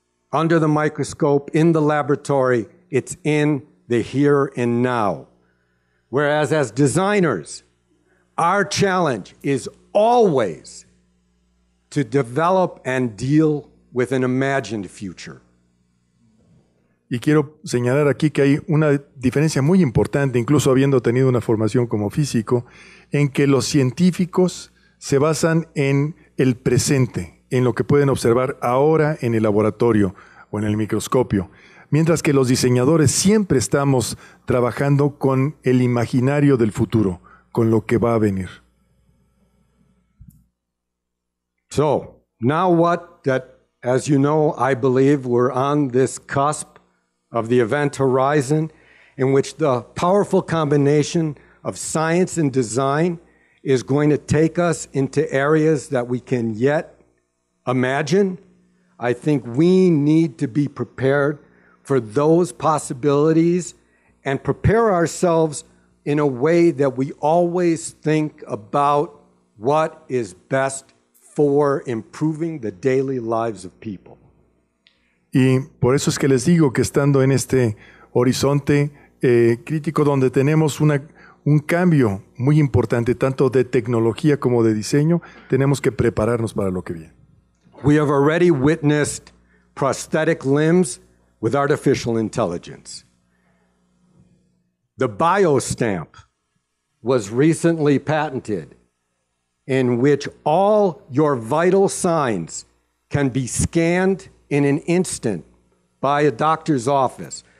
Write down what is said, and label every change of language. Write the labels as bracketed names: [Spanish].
[English] Under the microscope, in the laboratory, it's in the here and now. Whereas as designers, our challenge is always to develop and deal with an imagined future. [Spanish] Y quiero señalar aquí que hay una diferencia muy importante, incluso habiendo tenido una formación como físico, en que los científicos se basan en el presente, en lo que pueden observar ahora en el laboratorio o en el microscopio, mientras que los diseñadores siempre estamos trabajando con el imaginario del futuro, con lo que va a venir. [English] So, now what that, as you know, I believe we're on this cusp of the event horizon in which the powerful combination of science and design is going to take us into areas that we can yet imagine, I think we need to be prepared for those possibilities and prepare ourselves in a way that we always think about what is best for improving the daily lives of people. [Spanish] Y por eso es que les digo que estando en este horizonte crítico donde tenemos un cambio muy importante, tanto de tecnología como de diseño, tenemos que prepararnos para lo que viene. [English] We have already witnessed prosthetic limbs with artificial intelligence. The biostamp was recently patented, in which all your vital signs can be scanned in an instant by a doctor's office.